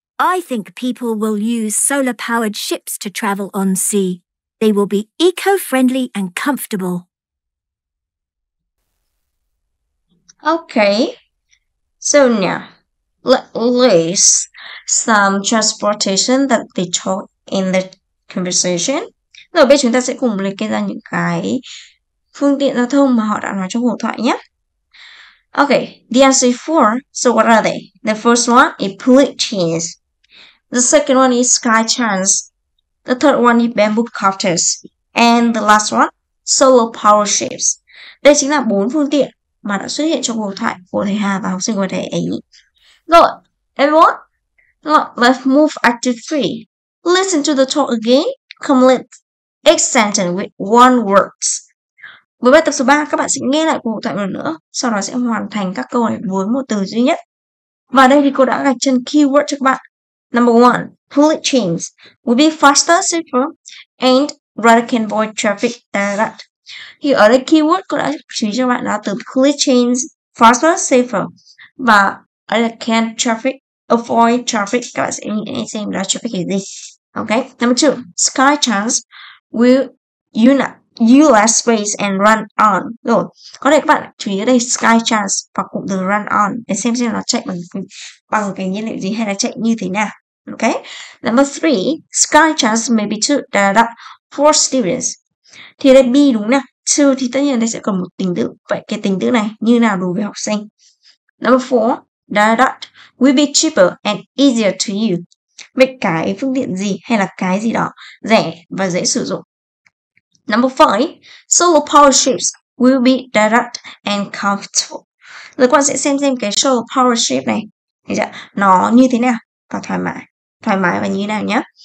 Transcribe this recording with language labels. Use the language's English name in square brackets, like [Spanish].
[English] I think people will use solar-powered ships to travel on sea. They will be eco-friendly and comfortable. Okay. So now, let's list some transportation that they talk in the conversation. [Vietnamese] Rồi bây giờ chúng ta sẽ cùng liệt kê ra những cái phương tiện giao thông mà họ đã nói trong cuộc thoại nhé. [English] Okay, the answer is 4. So what are they? The first one is bullet trains. The second one is Skytrans. The third one is bamboo copters. And the last one, solar power ships. [Vietnamese] Đây chính là 4 phương tiện mà đã xuất hiện trong cuộc thoại của thầy Hà và học sinh của thầy ấy. [English] Rồi, everyone, let's move active 3. Listen to the talk again. Complete each sentence with one word. [Vietnamese] Với bài tập số 3, các bạn sẽ nghe lại cuộc hội thoại một lần nữa, sau đó sẽ hoàn thành các câu hỏi với một từ duy nhất. Và đây thì cô đã gạch chân keyword cho các bạn. [English] Number one, bullet trains will be faster, safer, and rather can avoid traffic than that. [Vietnamese] Thì ở đây keyword cô đã chú ý cho các bạn là từ bullet trains, faster, safer. Và ở đây [English] can traffic, avoid traffic. [Vietnamese] Các bạn sẽ nghĩ xem là traffic cái gì. [English] Okay, number two, sky trains will use less space and run on. [Vietnamese] Rồi, có thể các bạn chú ý ở đây sky trains và cụm từ run on để xem nó chạy bằng cái nhiên liệu gì hay là chạy như thế nào. [English] Okay, number three, sky trains may be too data for students. [Vietnamese] Thì đây B đúng nè, too thì tất nhiên đây sẽ còn một tính từ. Vậy cái tính từ này như nào đối với học sinh? [English] Number four, data will be cheaper and easier to use. [Vietnamese] Vậy cái phương tiện gì hay là cái gì đó rẻ và dễ sử dụng. [English] Number five, solar power ships will be direct and comfortable. [Vietnamese] Rồi con sẽ xem cái solar power ship này. Thấy chưa? Nó như thế nào và thoải mái và như thế nào nhé.